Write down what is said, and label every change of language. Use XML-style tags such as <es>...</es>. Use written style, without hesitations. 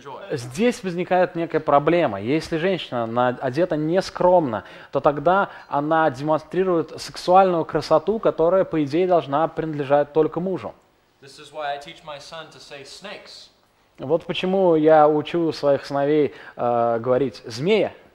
<ru>Здесь возникает некая проблема. Если женщина одета нескромно, то тогда она демонстрирует сексуальную красоту, которая, по идее, должна принадлежать только мужу.</ru> <en>This is why I teach my son to say snakes.</en> <ru>Вот почему я учу своих сыновей говорить змея.</ru>